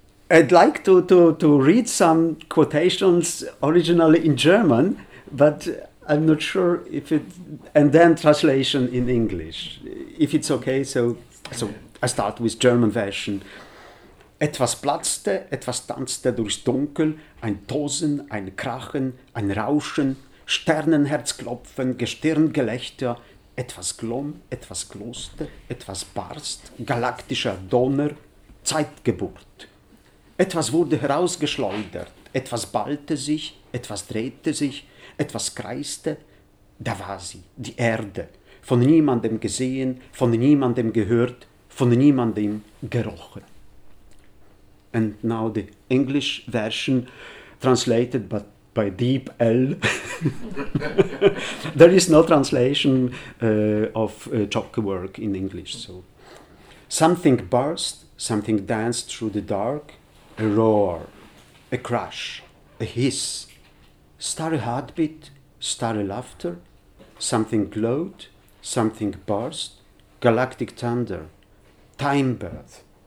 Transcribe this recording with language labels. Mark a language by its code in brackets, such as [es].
[en] I'd like to read some quotations originally in German, but I'm not sure if it, and then translation in English. If it's okay, so I start with German version. [de] Etwas platzte, etwas tanzte durchs Dunkel, ein Tosen, ein Krachen, ein Rauschen, Sternenherzklopfen, Gestirngelächter, etwas glomm, etwas gloste, etwas barst, galaktischer Donner, Zeitgeburt. Etwas wurde herausgeschleudert, etwas ballte sich, etwas drehte sich, etwas kreiste, da war sie, die Erde, von niemandem gesehen, von niemandem gehört, von niemandem gerochen. [en] And now the English version, translated but by Deep L. There is no translation of Zschokke work in English. So, something burst, something danced through the dark, a roar, a crash, a hiss, starry heartbeat, starry laughter, something glowed, something burst, galactic thunder, time birth.